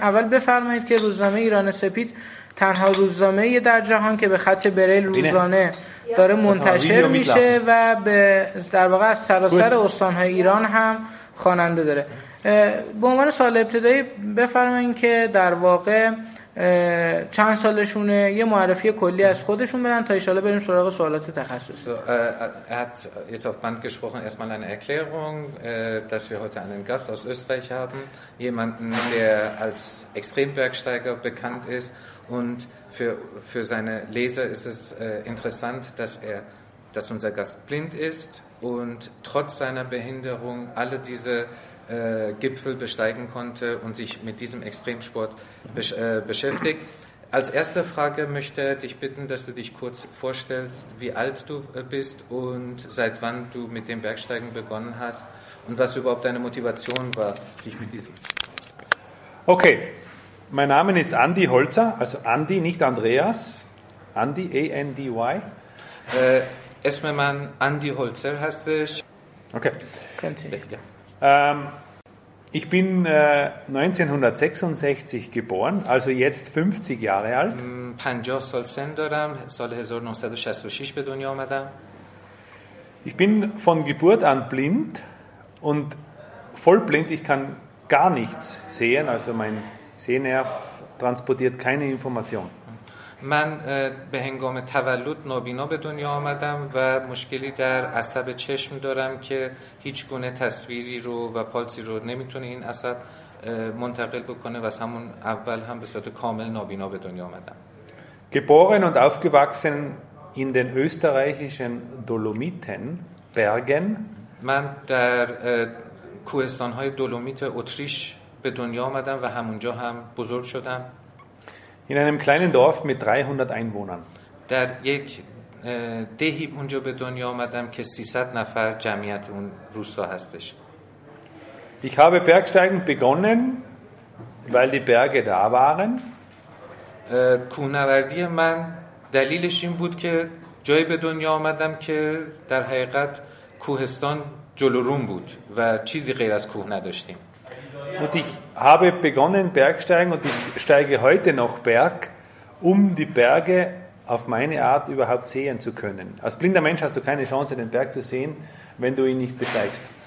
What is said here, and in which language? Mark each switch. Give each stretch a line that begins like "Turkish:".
Persian: اول بفرمایید که روزنامه ایران سپید تنها روزنامه‌ای در جهان که به خط بریل روزانه داره منتشر میشه و به در واقع از سراسر استان‌های ایران هم خواننده داره. به عنوان سوال ابتدایی بفرمایید که در واقع چند سالشونه، یه معرفی کلی از خودشون بدن تا ایشالله بریم سراغ سوالات تخصصی.
German: Jetzt auf Band gesprochen erstmal eine Erklärung, dass wir heute einen Gast aus Österreich haben, jemanden, der als Extrembergsteiger bekannt ist und für seine Leser ist es interessant, dass unser Gast blind ist und trotz seiner Behinderung alle diese Gipfel besteigen konnte und sich mit diesem Extremsport beschäftigt. Als erste Frage möchte ich dich bitten, dass du dich kurz vorstellst, wie alt du bist und seit wann du mit dem Bergsteigen begonnen hast und was überhaupt deine Motivation war, dich mit diesem. Okay, mein Name ist Andy Holzer, also Andy, nicht Andreas. Andy, A-N-D-Y. Erstmal mein Andy Holzer heißt es. Okay. Continue. Ja. Ich bin 1966 geboren, also jetzt 50 Jahre alt.
Persian: 50 سال سن دارم، سال 1966 به دنیا آمدم.
German: Ich bin von Geburt an blind und voll blind, ich kann gar nichts sehen, also mein Sehnerv transportiert keine Information.
Persian: من به هنگام تولد نابینا به دنیا آمدم و مشکلی در عصب چشم دارم که هیچ گونه تصویری رو و پالسی رو نمیتونه این عصب منتقل بکنه و از همون اول هم به صورت کامل نابینا به دنیا آمدم.
German: Geboren und aufgewachsen in den österreichischen Dolomiten, Bergen.
Persian: من در کوهستان‌های دولومیت اتریش به دنیا آمدم و همونجا هم بزرگ شدم.
German: In einem kleinen Dorf mit 300 Einwohnern.
Persian: در یک دهی اونجا به دنیا آمدم که 300 نفر جمعیت اون روستا هستش.
German: Ich habe Bergsteigen begonnen, weil die Berge da waren.
Persian: کوهنوردی من دلیلش این بود که جایی به دنیا آمدم که در حقیقت کوهستان جلو روم بود و چیزی غیر از کوه نداشتیم.
German: Und ich habe begonnen Bergsteigen und ich steige heute noch Berg, um die Berge auf meine Art überhaupt sehen zu können. Als blinder Mensch hast du keine Chance, den Berg zu sehen, wenn du ihn nicht besteigst.